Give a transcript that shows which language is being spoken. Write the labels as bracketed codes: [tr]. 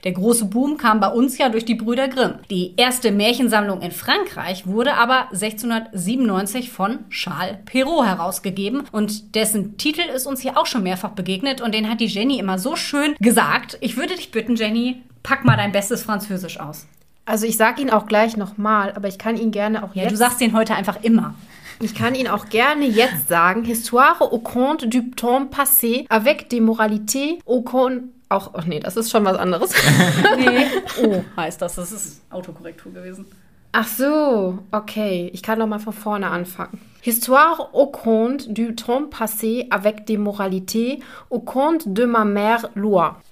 [de] Der große Boom kam bei uns ja durch die Brüder Grimm. Die erste Märchensammlung in Frankreich wurde aber 1697 von Charles Perrault herausgegeben. Und dessen Titel ist uns hier auch schon mehrfach begegnet. Und den hat die Jenny immer so schön gesagt. Ich würde dich bitten, Jenny, pack mal dein bestes Französisch aus. Also ich sag ihn auch gleich nochmal, aber ich kann ihn gerne auch jetzt... Ja, du sagst ihn heute einfach immer. Ich kann ihn auch gerne jetzt sagen. [fr] Histoire au conte du temps passé avec des moralités au conte... [de] Ach oh nee, das ist schon was anderes. Nee, oh heißt das. Das ist Autokorrektur gewesen. Ach so, okay. Ich kann nochmal von vorne anfangen. [fr] Histoire au conte du temps passé avec des moralités au conte de ma mère Loi.